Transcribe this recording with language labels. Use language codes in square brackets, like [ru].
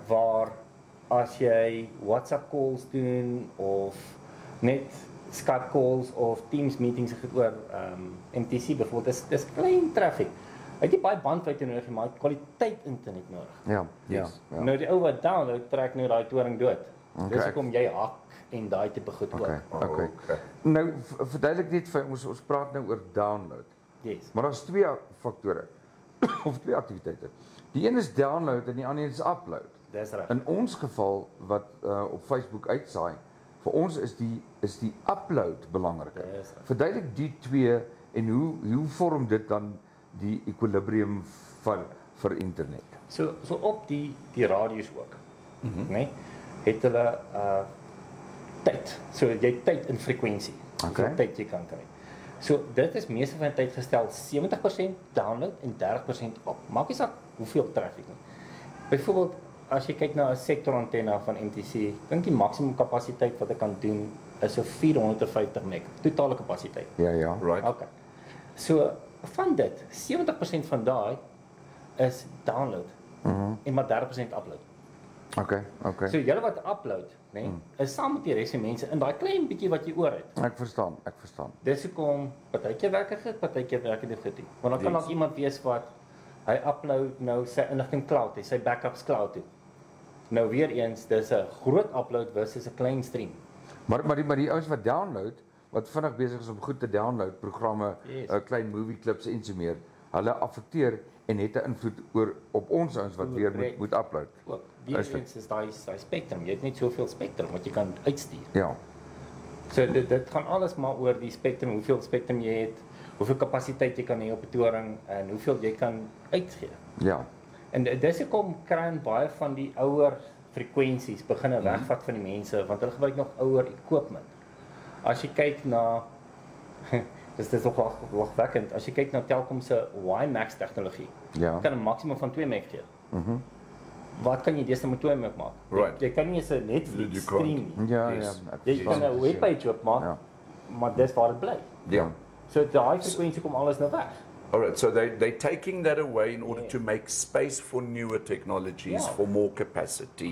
[af] Waar, as jy WhatsApp calls doen, of net Skype calls, of Teams meetings, MTC bijvoorbeeld, dis klein traffic. Het jy baie bandwydte nodig, maar kwaliteit internet nodig. Ja, [en] yes. [af] Ja. Nou die ou wat download trek nou die toring dood. Okay. Dis hoekom jy hak en daai te begoed ook. Okay. Okay. Nou verduidelik net vir ons praat nou oor download. [en] Yes. [af] Maar daar's twee faktore of twee aktiwiteite. Die een is download en die ander is upload. Dis reg. In ons geval wat op Facebook uitsaai, vir ons is die upload belangriker. Dis reg. Verduidelik die twee en hoe vorm dit dan die equilibrium vir internet. So op die radio's ook, mm-hmm. nê, het hulle tyd. So jy tyd in frekwensie. Okay. So tyd jy kan kry. So dit is meeste van die tyd gestel 70% download en 30% op. Maak nie saak hoeveel traffic nie. Byvoorbeeld as jy kyk na 'n sektor antenna van MTC, dink die maksimum kapasiteit wat ek kan doen is so 450 meg, totale kapasiteit. Ja ja, [en] right. [af] Okay. So van dit, 70% van daai is download mm-hmm. en maar 30% upload. Okay. So julle wat upload, nê, is saam met die res van mense in daai klein bietjie wat jy oor het. Ek verstaan. Dis hoekom partykeer werk dit, partykeer werk dit goed. Want dan kan ook iemand wees wat hy upload nou sy inligting cloud, sy backups cloud toe. Nou weer eens, dis 'n groot upload versus 'n klein stream. Maar die ouens wat download wat vinnig besig is om goed te download programme, klein movie clips en so meer. Hulle affekteer en het 'n invloed oor op ons ouens wat weer moet upload. Diefens is daai spectrum. Jy het net soveel spectrum wat jy kan uitstuur. Ja. So dit gaan alles maar oor die spectrum, hoeveel spectrum jy het, hoeveel kapasiteit jy kan hê op 'n toring en hoeveel jy kan uitgee. Ja. En dis hoekom kry baie van die ouer frekwensies begin wegvat van die mense want hulle gebruik nog ouer equipment. As jy kyk na dis nog lachwekkend, as jy kyk na Telkom se WiMAX tegnologie, ja. Kan 'n maksimum van 2 meg gee. Mm-hmm. Wat kan jy deesda met 2 meg maak? [en] Right. [af] Jy kan nie eens 'n Netflix stream nie. Ja, [en] yes. [af] Jy kan 'n webpage opmaak, maar dis waar dit bly. Ja. So daai frekwensie kom alles nou weg. [en] Alright, so they taking that away in order to make space for newer technologies, for more capacity,